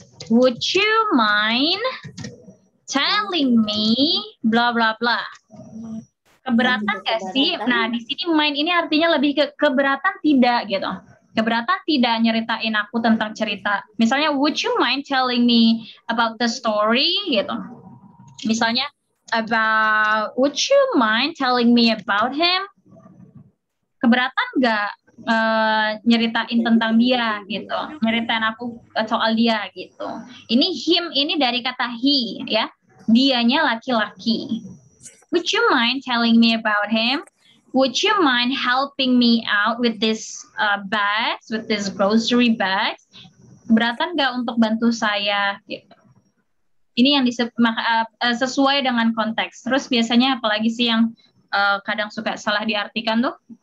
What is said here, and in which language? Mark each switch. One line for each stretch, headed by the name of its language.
English: Would you mind telling me blah blah blah?
Indonesian: keberatan nggak sih? Nah, di sini main ini artinya lebih ke keberatan tidak gitu. Keberatan tidak nyeritain aku tentang cerita. Misalnya,
English: would you mind telling me about the story
Indonesian: gitu. Misalnya,
English: about would you mind telling me about him?
Indonesian: Keberatan nggak nyeritain tentang dia gitu, nyeritain aku soal dia gitu. Ini him ini dari kata he ya, dianya laki-laki.
English: Would you mind telling me about him? Would you mind helping me out with this bags, with this grocery bags?
Indonesian: Keberatan nggak untuk bantu saya? Gitu. Ini yang sesuai dengan konteks. Terus biasanya apalagi sih yang kadang suka salah diartikan tuh?